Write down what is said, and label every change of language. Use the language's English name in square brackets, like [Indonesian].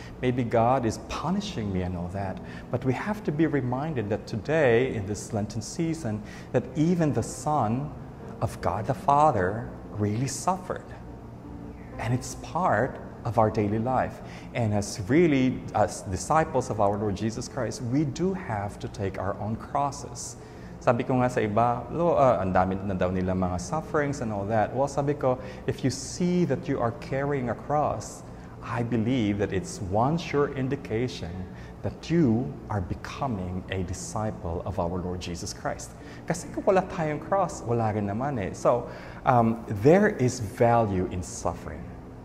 [English] Maybe God is punishing me and all that. But we have to be reminded that today, in this Lenten season, that even the Son of God the Father really suffered. And it's part of our daily life. And as disciples of our Lord Jesus Christ, we do have to take our own crosses. [Filipino] Sabi ko nga sa iba, ang dami na daw nila mga [English] sufferings and all that. Well, [Filipino] sabi ko, [English] if you see that you are carrying a cross, I believe that it's one sure indication that you are becoming a disciple of our Lord Jesus Christ. [Filipino] Kasi kung wala tayong cross, wala rin naman eh. [English] So, there is value in suffering.